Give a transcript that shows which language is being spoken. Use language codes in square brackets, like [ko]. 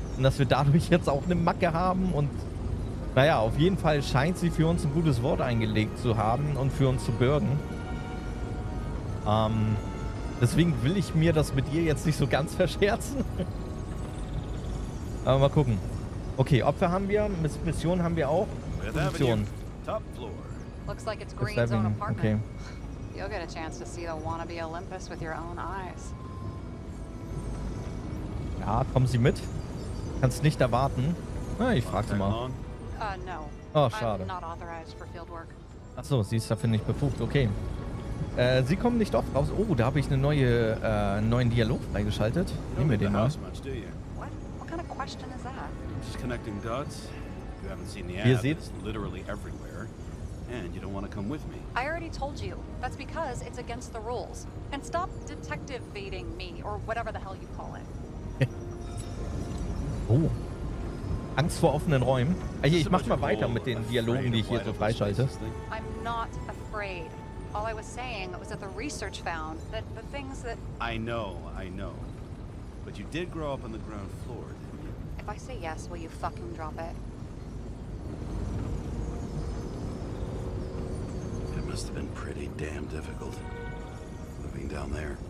[de] Und dass wir dadurch jetzt auch eine Macke haben und naja, auf jeden Fall scheint sie für uns ein gutes Wort eingelegt zu haben und für uns zu bürgen. Deswegen will ich mir das mit ihr jetzt nicht so ganz verscherzen. Aber mal gucken. Okay, Opfer haben wir, Mission haben wir auch. Position. [en] Top floor. Looks like it's Green's own apartment. Okay. You'll get a chance to see the wannabe Olympus with your own eyes. [de] Ja, kommen Sie mit. Kannst nicht erwarten. Na, ich frag sie mal. [en] No. [de] Oh, schade. [en] I'm not authorized for field work. [de] Ach so, sie ist dafür nicht befugt. Okay. Sie kommen nicht oft raus. Oh, da habe ich eine neue, neuen Dialog freigeschaltet. Nehmen wir den mal. [en] What kind of question is that? Just connecting dots. You haven't seen the [de] ad. Ihr seht. [en] It's literally everywhere. And you don't want to come with me. I already told you. That's because it's against the rules. And stop detective baiting me or whatever the hell you call it. [de] Oh. Angst vor offenen Räumen. Ich mach mal weiter mit den Dialogen, die ich hier so freischalte. [en] I'm not afraid. All I was saying was that the research found that the things that I know. But you did grow up on the ground floor, didn't you? If I say yes, will you fucking drop it? Must have been pretty damn difficult living down there.